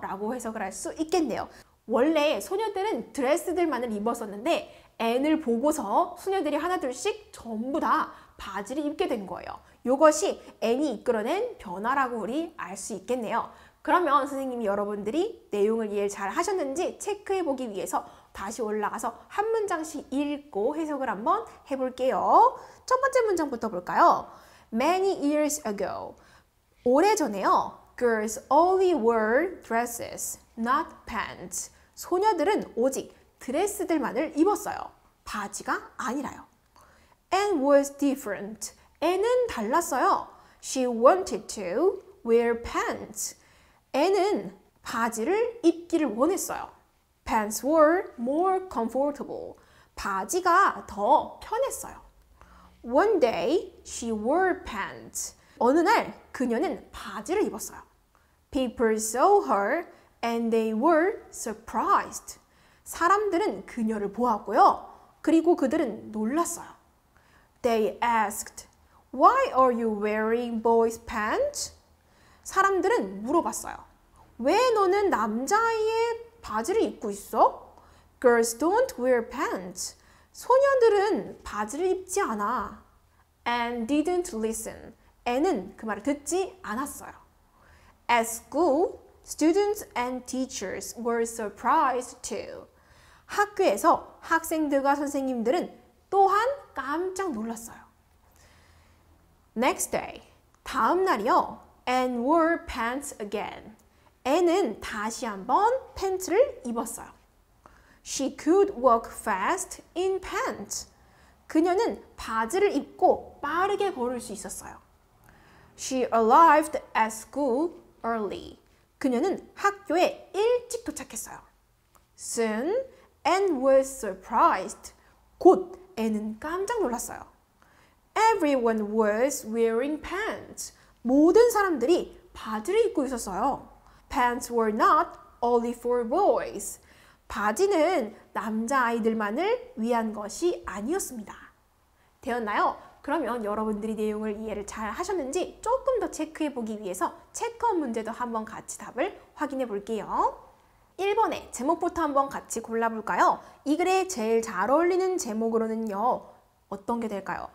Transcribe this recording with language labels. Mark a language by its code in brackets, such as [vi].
[ko] 라고 해석을 할 수 있겠네요. 원래 소녀들은 드레스들만을 입었었는데 N을 보고서 소녀들이 하나둘씩 전부 다 바지를 입게 된 거예요. 이것이 N이 이끌어낸 변화라고 우리 알 수 있겠네요. 그러면 선생님이 여러분들이 내용을 이해 잘 하셨는지 체크해 보기 위해서 다시 올라가서 한 문장씩 읽고 해석을 한번 해볼게요. 첫 번째 문장부터 볼까요? [en] Many years ago, [ko] 오래전에요. [en] Girls only wore dresses, not pants. [ko] 소녀들은 오직 드레스들만을 입었어요. 바지가 아니라요. [en] And was different. [ko] N은 달랐어요. [en] She wanted to wear pants. [ko] N은 바지를 입기를 원했어요. [en] Pants were more comfortable. [ko] 바지가 더 편했어요. [en] One day she wore pants. [ko] 어느 날 그녀는 바지를 입었어요. [en] People saw her and they were surprised. [ko] 사람들은 그녀를 보았고요. 그리고 그들은 놀랐어요. [en] They asked, Why are you wearing boys' pants? [ko] 사람들은 물어봤어요. 왜 너는 남자아이의 바지를 입고 있어? [en] Girls don't wear pants. [ko] 소녀들은 바지를 입지 않아. [en] And didn't listen. [ko] 애는 그 말을 듣지 않았어요. [en] At school, students and teachers were surprised too. [ko] 학교에서 학생들과 선생님들은 또한 깜짝 놀랐어요. [en] Next day, [ko] 다음 날이요. [en] And wore pants again. [ko] 애는 다시 한번 팬츠를 입었어요. [en] She could walk fast in pants. [ko] 그녀는 바지를 입고 빠르게 걸을 수 있었어요. [en] She arrived at school early. [ko] 그녀는 학교에 일찍 도착했어요. [en] Soon, Anne was surprised. [ko] 곧 Anne은 깜짝 놀랐어요. [en] Everyone was wearing pants. [ko] 모든 사람들이 바지를 입고 있었어요. [en] Pants were not only for boys. [ko] 바지는 남자아이들만을 위한 것이 아니었습니다. 되었나요? 그러면 여러분들이 내용을 이해를 잘 하셨는지 조금 더 체크해 보기 위해서 체크업 문제도 한번 같이 답을 확인해 볼게요. 1번에 제목부터 한번 같이 골라볼까요? 이 글에 제일 잘 어울리는 제목으로는요. 어떤 게 될까요?